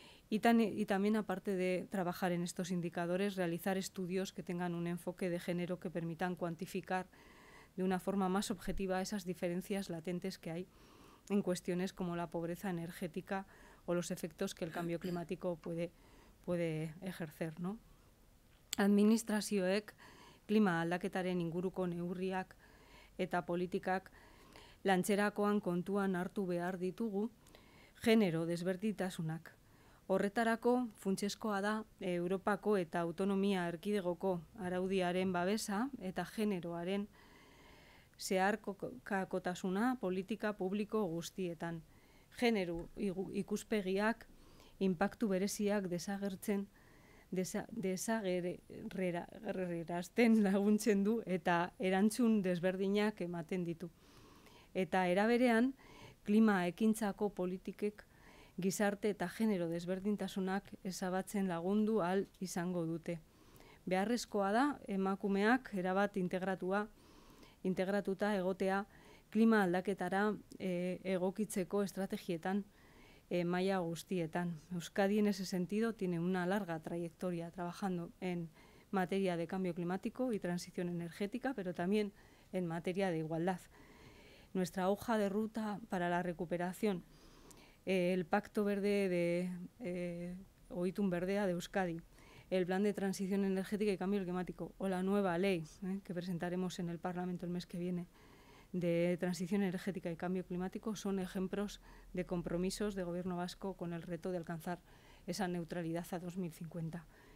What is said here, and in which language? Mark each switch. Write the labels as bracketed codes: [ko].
[es] Y también, aparte de trabajar en estos indicadores, realizar estudios que tengan un enfoque de género que permitan cuantificar de una forma más objetiva esas diferencias latentes que hay en cuestiones como la pobreza energética o los efectos que el cambio climático puede ejercer, ¿no? [eu] Administrazioek klima aldaketaren inguruko neurriak eta politikak lantzerakoan kontuan hartu behar ditugu genero desberditasunak. Horretarako funtsezkoa da Europako eta autonomia erkidegoko araudiaren babesa eta generoaren zeharkakotasuna politika publiko guztietan. Genero ikuspegiak inpaktu bereziak desagerrerazten laguntzen du eta erantzun desberdinak ematen ditu. Eta eraberean, klima ekintzako politikek gizarte eta genero desberdintasunak ezabatzen lagundu ahal izango dute. Beharrezkoa da emakumeak erabat integratuta egotea klima aldaketara egokitzeko estrategietan maila guztietan. [es] Euskadi en ese sentido tiene una larga trayectoria trabajando en materia de cambio climático y transición energética, pero también en materia de igualdad. Nuestra hoja de ruta para la recuperación, el Pacto Verde de Oitun Verdea de Euskadi, el Plan de Transición Energética y Cambio Climático o la nueva ley que presentaremos en el Parlamento el mes que viene de Transición Energética y Cambio Climático son ejemplos de compromisos de Gobierno Vasco con el reto de alcanzar esa neutralidad a 2050.